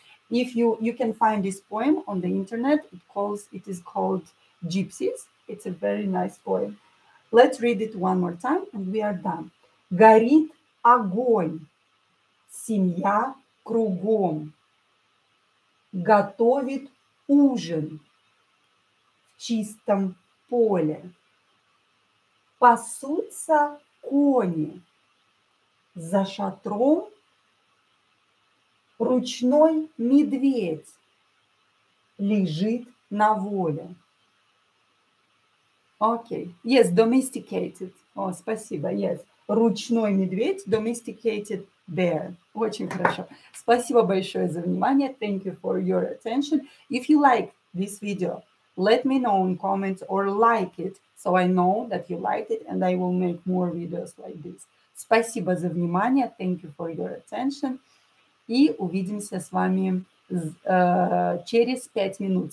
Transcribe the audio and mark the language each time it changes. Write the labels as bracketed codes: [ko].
[en] If you can find this poem on the internet, it is called Gypsies, it's a very nice poem. Let's read it one more time and we are done. [ru] Горит огонь, семья кругом, готовит ужин в чистом поле. Пасутся кони за шатром, ручной медведь лежит на воле. [en] Окей, okay. Yes, domesticated. [ru] О, спасибо, [en] yes. [ru] Ручной медведь, [en] domesticated bear. [ru] Очень хорошо. Спасибо большое за внимание. [en] Thank you for your attention. If you like this video, let me know in comments or like it, so I know that you like it and I will make more videos like this. [ru] Спасибо за внимание. [en] Thank you for your attention. [ru] И увидимся с вами через 5 минут.